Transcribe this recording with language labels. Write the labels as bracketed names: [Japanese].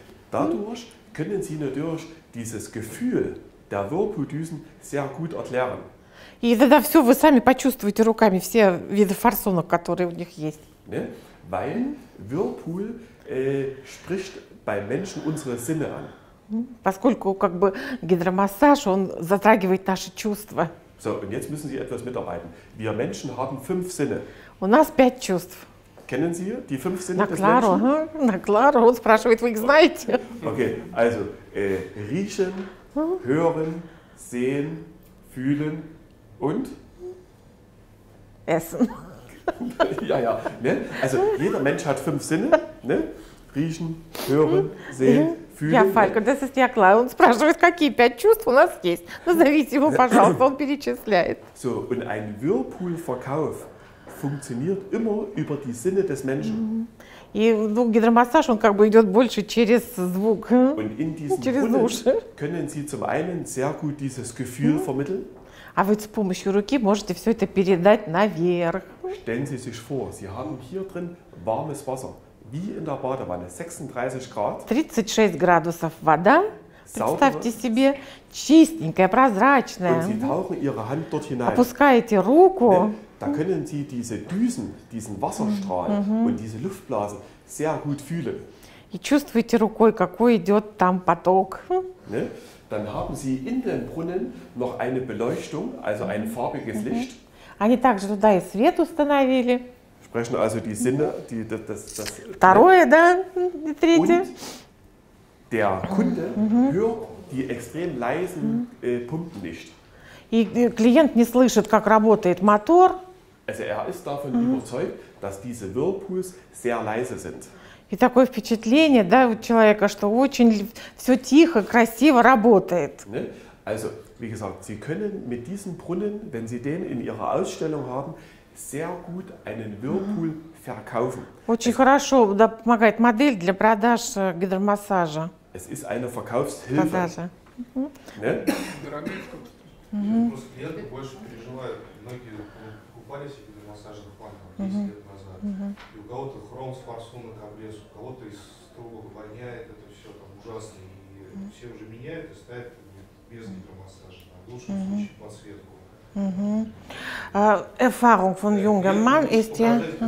[German] Dadurch können Sie natürlich dieses Gefühl der Whirlpool-Düsen sehr gut erklären. [Russian] И тогда все вы сами почувствуете руками, все виды форсунок, которые у них есть. [German] Ne? Weil Whirlpool spricht bei Menschen unsere Sinne an. [Russian] Поскольку как бы гидромассаж, он затрагивает наши чувства. [German] So, und jetzt müssen Sie etwas mitarbeiten. Wir Menschen haben 5 Sinne. [Russian] У нас 5 чувств. [German] Kennen Sie die 5 Sinne des claro, Menschen? [Russian] На claro, он спрашивает, вы их знаете. [German] Okay, also riechen, hören, sehen, fühlen und? Essen. Ja, ja. Ne? Also jeder Mensch hat 5 Sinne. Ne? Riechen, hören, sehen, fühlen. Ja, Falko, das ist ja klar. [Russian] Und спрашивает, какие 5 чувств у нас есть. Назовите его, пожалуйста, он перечисляет. [German] So, und ein Whirlpool-Verkauf funktioniert immer über die Sinne des Menschen. [Russian] И гидромассаж, он как бы идет больше через звук. [German] Und in diesen Brunnen können Sie zum einen sehr gut dieses Gefühl vermitteln. [Russian] А вы с помощью руки можете все это передать наверх. [German] Stellen Sie sich vor, Sie haben hier drin warmes Wasser, wie in der Badewanne, 36 Grad. [Russian] 36 градусов вода, представьте себе, чистенькая, прозрачная. [German] Und Sie tauchen Ihre Hand dort hinein. [Russian] Опускаете руку. [German] Da können Sie diese Düsen, diesen Wasserstrahl mm-hmm. und diese Luftblase sehr gut fühlen. [Russian] И чувствуете рукой, какой идет там поток. [German] Ne? Dann haben Sie in den Brunnen noch eine Beleuchtung, also ein farbiges mm-hmm. Licht. [Russian] Они также туда и свет установили. [German] Sprechen also die Sinne, die, das, das, das, [Russian] второе, да, и третье. [German] Und der Kunde mm-hmm. hört die extrem leisen Pumpen nicht. [Russian] И клиент не слышит, как работает мотор. [German] Also er ist davon mm-hmm. überzeugt, dass diese Whirlpools sehr leise sind. [Russian] И такое впечатление, да, у человека, что очень все тихо, красиво работает. [German] Ne? Also, wie gesagt, Sie können mit diesem Brunnen, wenn Sie den in Ihrer Ausstellung haben, sehr gut einen Whirlpool verkaufen. [Russian] Очень хорошо, да, помогает модель для продаж гидромассажа. [German] Es ist eine Verkaufshilfe. [Russian] Продажа. [German] Ne? [Russian] Просто клиенты больше переживают. Многие покупали себе гидромассажи на планах 10 лет назад. И у кого-то хром с форсунок облез, у кого-то из трубок воняет, это все там ужасно. И все уже меняют и ставят без гидромассажа, а в лучшем случае подсветку. [German] Erfahrung von jungem Mann ist ja.